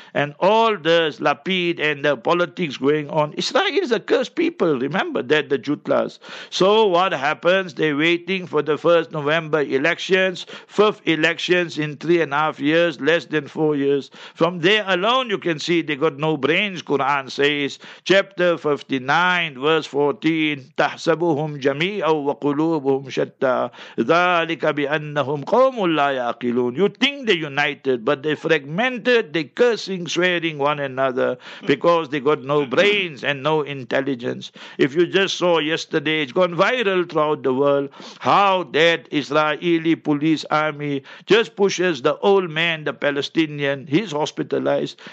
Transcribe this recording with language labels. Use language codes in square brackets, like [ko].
[en] And all this Lapid and the politics going on, Israel is a cursed people, remember that, the Jutlas. So what happens? They're waiting for the first November elections, 5th elections in 3.5 years, less than 4 years. From there alone, you can see they got no brains, Quran says, chapter 59, verse 14. [ar] تحسبهم جميعا وقلوبهم شتى ذلك بأنهم قوم لا يعقلون. [en] You think they're united, but they're fragmented, they're cursing, swearing one another because they got no brains and no intelligence. If you just saw yesterday, it's gone viral throughout the world, how that Israeli police army just pushes the old man, the Palestinian, he's hospitalized.